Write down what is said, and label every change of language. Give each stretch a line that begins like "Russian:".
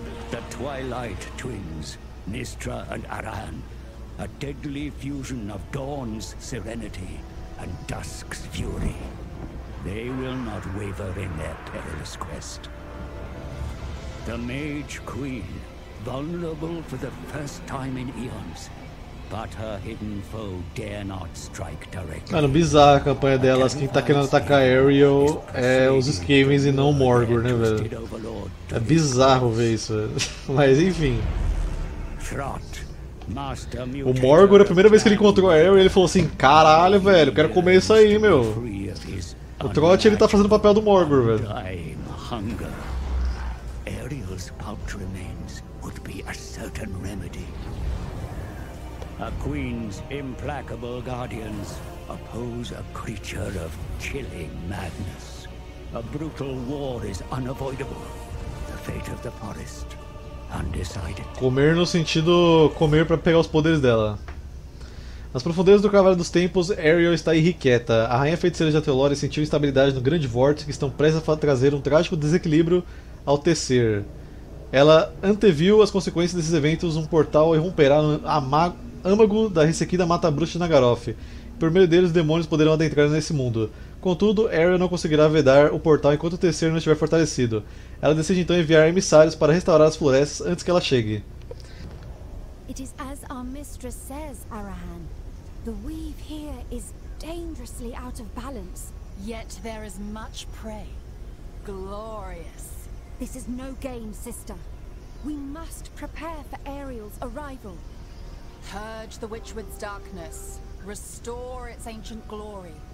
English: The Twilight Twins, Nistra and Arahan, a deadly fusion of Dawn's serenity and Dusk's fury. They will not waver in their perilous quest. The Mage Queen, vulnerable for the first time in eons, but her hidden foe dare not strike directly.
Portuguese: Mano, bizarra a campanha delas. Quem tá querendo atacar Ariel é os Skavens e não o Morgor, né, velho? É bizarro ver isso, velho. Mas enfim. O Morgor, a primeira vez que ele encontrou a Ariel, ele falou assim: caralho, velho, quero comer isso aí, meu. O Trot, ele tá fazendo o papel do Morgor, velho.
English: Ariel's pulp remains would be a certain remedy. A queen's implacable guardians oppose a creature of chilling madness. A brutal war is unavoidable. The fate of the forest undecided.
Portuguese: Comer no sentido comer para pegar os poderes dela. Nas profundezas do Cavaleiro dos Tempos, Ariel está irrequieta. A rainha feiticeira de Atelore sentiu instabilidade no grande vórtice que estão prestes a trazer um trágico desequilíbrio ao tecer. Ela anteviu as consequências desses eventos, um portal irromperá no âmago da ressequida Mata Bruxa de Naggaroth. Por meio deles, os demônios poderão adentrar nesse mundo. Contudo, Ariel não conseguirá vedar o portal enquanto o tecer não estiver fortalecido. Ela decide então enviar emissários para restaurar as florestas antes que ela chegue.
English: It is as our mistress says, Arahan. The weave here is dangerously out of balance. Yet there is much prey. Glorious. This is no game, sister. We must prepare for Ariel's arrival. Purge the Witchwood's darkness. Restore its ancient glory.